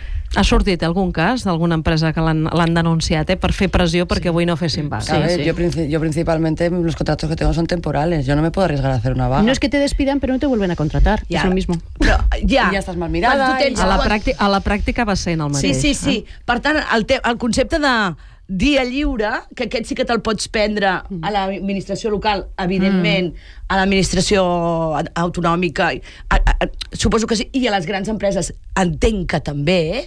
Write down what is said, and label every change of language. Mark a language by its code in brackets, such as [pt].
[ca] Ha sortit algun cas d'alguna empresa que l'han denunciat per fer pressió perquè avui no fessin vaga? [es] Sí, yo principalmente los contratos que tengo son temporales. Yo no me puedo arriesgar a hacer una vaga. No es que te despidan, pero no te vuelven a contratar. Ja. Es lo mismo. [ca] Però, ja. I ja estàs mal mirada. Tens... A la pràctica va ser en el mateix. Sí, sí, sí. Per tant, el concepte de dia lliure, que aquest sí que te'l pots prendre a l'administració local, evidentment, a l'administració autonòmica, suposo que sí, i a les grans empreses, entenc que també...